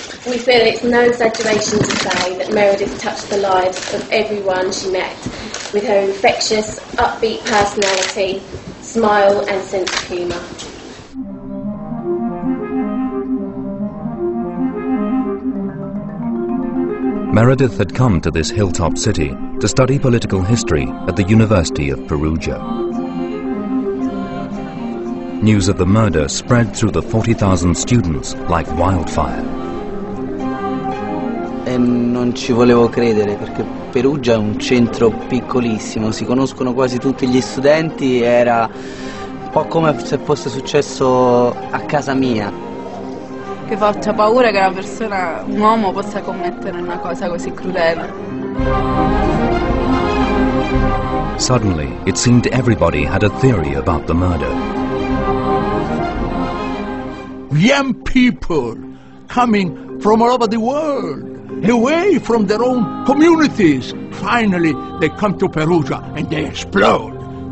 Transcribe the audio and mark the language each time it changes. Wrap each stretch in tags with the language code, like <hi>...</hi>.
<en>We feel it's no exaggeration to say that Meredith touched the lives of everyone she met with her infectious, upbeat personality, smile and sense of humor. Meredith had come to this hilltop city to study political history at the University of Perugia. News of the murder spread through the 40,000 students like wildfire.</en> <it>E non ci volevo credere perché Perugia è un centro piccolissimo, si conoscono quasi tutti gli studenti, era un po' come se fosse successo a casa mia. Che faccia paura che una persona, un uomo, possa commettere una cosa così crudele.</it> <en>Suddenly, it seemed everybody had a theory about the murder. Young people coming from all over the world, away from their own communities. Finally, they come to Perugia and they explode.</en>